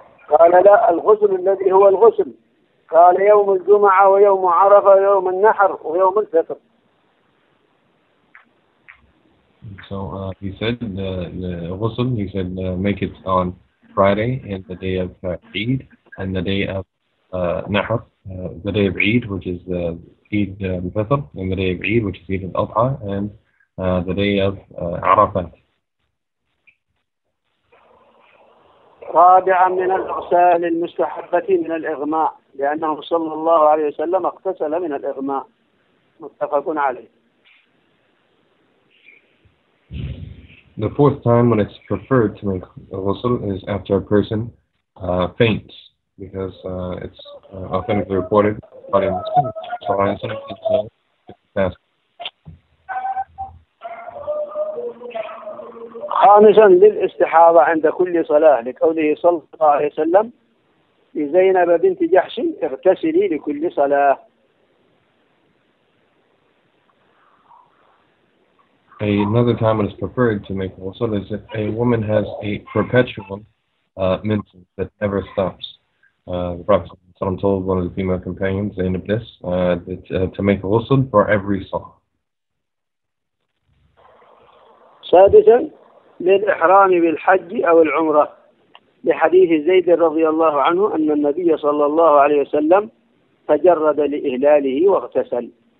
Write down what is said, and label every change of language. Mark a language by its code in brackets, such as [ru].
[ar] قال لا الغسل الذي هو الغسل. قال يوم الجمعة ويوم عرفة ويوم النحر ويوم الفطر. [en] So he said, the ghusl, he said, make it on Friday and the day of Eid and the day of Nahr, the day of Eid, which is Eid al-Fitr, and the day of Eid, which is Eid al-Adha, and the day of Arafat. [ar] رابعا من الاغتسال المستحب من الاغماء لانه صلى الله عليه وسلم اغتسل من الاغماء متفق عليه. [en] The fourth time when it's preferred to make ghusl is after a person faints, because it's authentically reported by the Prophet. [ar] خامسا للاستحاضة عند كل صلاة لقوله صلى الله عليه وسلم لزينب بنت جحش اغتسلي لكل صلاة. [en] Another time it is preferred to make ghusl is if a woman has a perpetual menstruation that never stops. The Prophet ﷺ told one of the female companions, Zainab, this, that to make ghusl for every salah. [ar] سادسا للإحرام بالحج أو العمرة لحديث زيد رضي الله عنه أن النبي صلى الله عليه وسلم تجرد لإهلاله واغتسل.